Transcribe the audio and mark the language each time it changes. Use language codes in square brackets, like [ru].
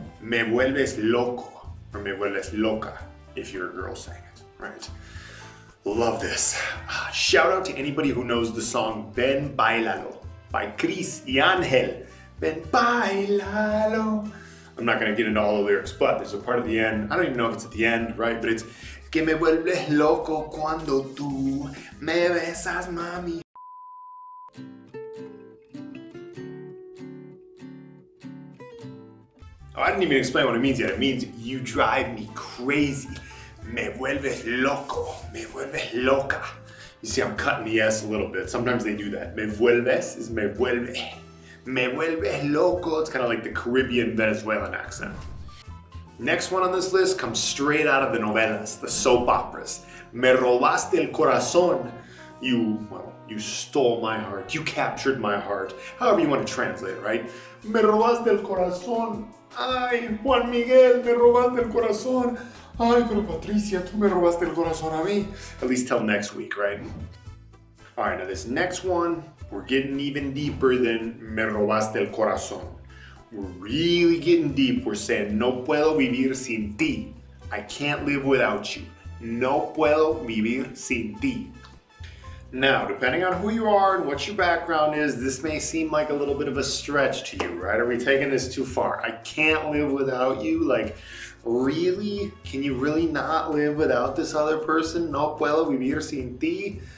[es] Me vuelves loco, [en] or [es] me vuelves loca, [en] if you're a girl saying it, right? Love this. Shout out to anybody who knows the song Ven Bailalo by Chris y Angel. Ven bailalo. I'm not gonna get into all the lyrics, but there's a part of the end. I don't even know if it's at the end, right? But it's [es] que me vuelves loco cuando tú me besas, mami. [en] Oh, I didn't even explain what it means yet. It means you drive me crazy. [es] Me vuelves loco. Me vuelves loca. [en] You see, I'm cutting the S a little bit. Sometimes they do that. [es] Me vuelves is me vuelve. Me vuelves loco. [en] It's kind of like the Caribbean Venezuelan accent. Next one on this list comes straight out of the novelas, the soap operas. [es] Me robaste el corazón. [en] You stole my heart. You captured my heart. However you want to translate it, right? [es] Me robaste el corazón. Ay, Juan Miguel, me robaste el corazón. Ay, pero Patricia, tú me robaste el corazón a mí. [en] At least till next week, right? All right, now this next one, we're getting even deeper than [es] me robaste el corazón. [en] We're really getting deep. We're saying, [es] no puedo vivir sin ti. [en] I can't live without you. [es] No puedo vivir sin ti. [en] Now, depending on who you are and what your background is, this may seem like a little bit of a stretch to you, right? Are we taking this too far? I can't live without you. Like, really? Can you really not live without this other person? [es] No puedo vivir sin ti.